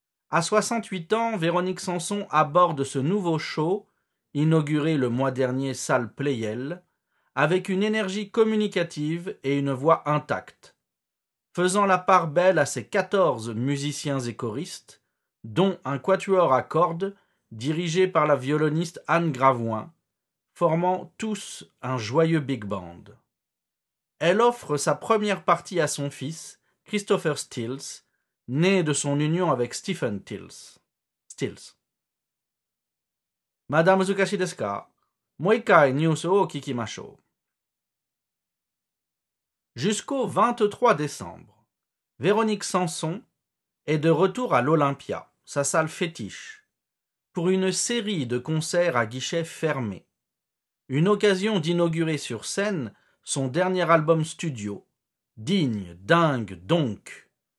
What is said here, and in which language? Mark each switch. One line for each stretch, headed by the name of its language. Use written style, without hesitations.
French: À 68 ans, Véronique Sanson aborde ce nouveau show, inauguré le mois dernier salle Pleyel, avec une énergie communicative et une voix intacte, faisant la part belle à ses 14 musiciens et choristes, dont un quatuor à cordes dirigé par la violoniste Anne Gravoin, formant tous un joyeux big band. Elle offre sa première partie à son fils, Christopher Stills,né de son union avec Stephen Stills.
Japanese: まだ難しいですか? もう一回ニュースを聞きましょう。
French: Jusqu'au 23 décembre, Véronique Sanson est de retour à l'Olympia, sa salle fétiche, pour une série de concerts à guichet fermé. Une occasion d'inaugurer sur scène son dernier album studio, Digne, Dingue, Donc.